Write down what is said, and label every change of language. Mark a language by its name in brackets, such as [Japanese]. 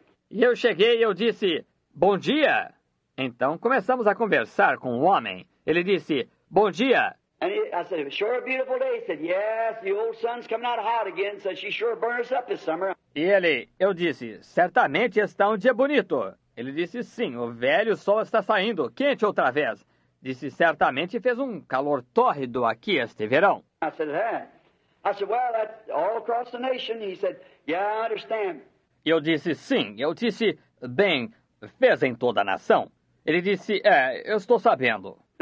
[Portuguese] E eu cheguei e eu disse, bom dia. Então começamos a conversar com o homem. Ele disse, bom dia. [English] And I said, sure a beautiful day. He said, yes, the old sun's coming out hot again, so she sure burned us up this summer. [Portuguese] E ele, eu disse, certamente está um dia bonito. Ele disse, sim, o velho sol está saindo, quente outra vez. Disse, certamente fez um calor tórrido aqui este verão. [English] I said, yeah. I said, well, that's all across the nation. He said, yeah, I understand. [Portuguese] Eu disse, sim. Eu disse, bem, fez em toda a nação. Ele disse, é, eu estou sabendo.